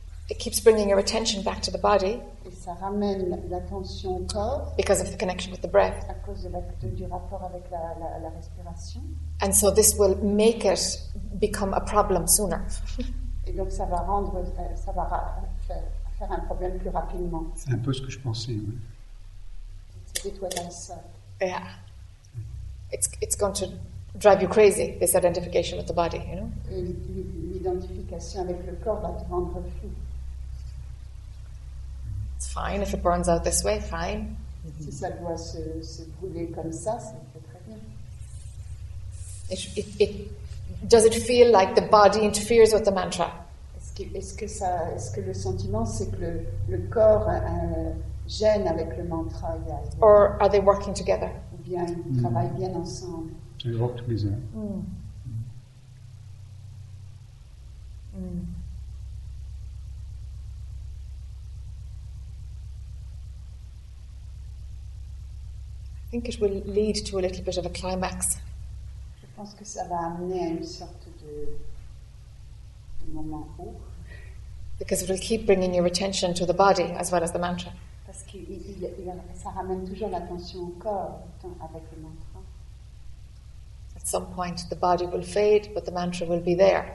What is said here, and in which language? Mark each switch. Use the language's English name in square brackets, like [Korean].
[English] It keeps bringing your attention back to the body. [French] Et ça ramène l'attention au corps. [English] Because of the connection with the breath. [French] À cause du rapport avec la respiration. [English] And so this will make it become a problem sooner. [French] Et donc ça va rendre, ça va faire un problème plus rapidement. C'est un peu ce que je pensais. Oui. C'est toi dans ça. [English] Yeah. It's going to drive you crazy, this identification with the body, you know? [French] L'identification avec le corps va te rendre fou. [English] It's fine if it burns out this way, fine. [French] Si ça doit se brûler comme ça, ça peut très bien. [English] Does it feel like the body interferes with the mantra? [French] Est-ce que le sentiment, c'est que le corps gêne avec le mantra? [English] Or are they working together? [French] Ou bien ils travaillent bien ensemble? [English] They work together. Mm. Mm. I think it will lead to a little bit of a climax. [French] Je pense que ça va amener à une sorte de moment haut. [English] Because it will keep bringing your attention to the body as well as the mantra. [French] Parce que ça ramène toujours l'attention au corps avec le mantra. [English] At some point, the body will fade, but the mantra will be there.